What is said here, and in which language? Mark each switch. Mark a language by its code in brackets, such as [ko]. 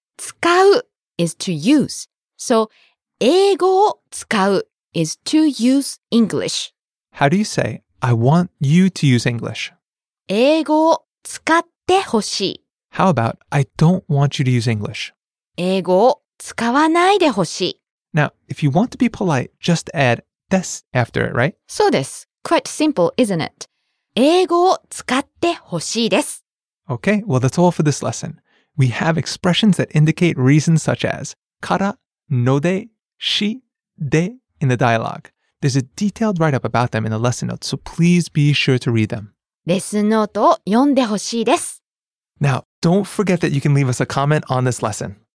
[en] 使う is to use. So, [ja] 英語を使う [en] is to use English. How do you say, I want you to use English? [ja] 英語を使ってほしい。 [en] How about, I don't want you to use English? [ja] 英語を使わないでほしい。 [en] Now, if you want to be polite, just add です after it, right? [ja] そうです。 [en] Quite simple, isn't it? [ja] 英語を使ってほしいです。 [en] Okay, well, that's all for this lesson. We have expressions that indicate reasons such as からので、しで in the dialogue. There's a detailed write-up about them in the lesson notes, so please be sure to read them. [ja] レッスンノートを読んでほしいです。 [en] Now, don't forget that you can leave us a comment on this lesson.